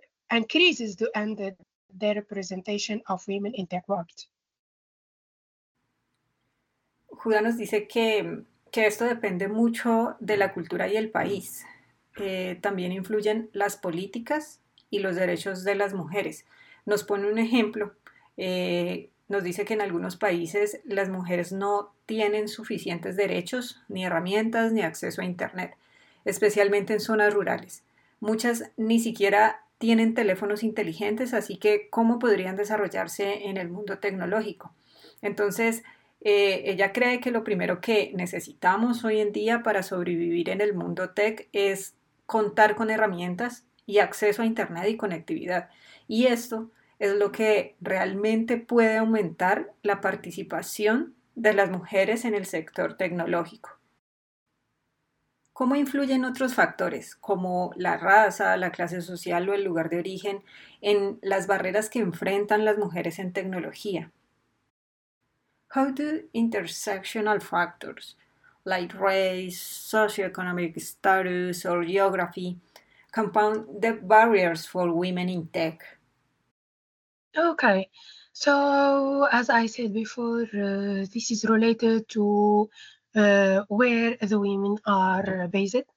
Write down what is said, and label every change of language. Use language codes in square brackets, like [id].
[en] and crises to end the representation of women in their work. [es] Judá nos dice que esto depende mucho de la cultura y el país. También influyen las políticas y los derechos de las mujeres. Nos pone un ejemplo. Nos dice que en algunos países las mujeres no tienen suficientes derechos, ni herramientas, ni acceso a internet, especialmente en zonas rurales. Muchas ni siquiera tienen teléfonos inteligentes, así que ¿cómo podrían desarrollarse en el mundo tecnológico? Entonces, ella cree que lo primero que necesitamos hoy en día para sobrevivir en el mundo tech es contar con herramientas y acceso a internet y conectividad. Y esto es lo que realmente puede aumentar la participación de las mujeres en el sector tecnológico. ¿Cómo influyen otros factores, como la raza, la clase social o el lugar de origen, en las barreras que enfrentan las mujeres en tecnología? [en] How do intersectional factors, like race, socioeconomic status, or geography, compound the barriers for women in tech? Okay, so as I said before, this is related to where the women are based.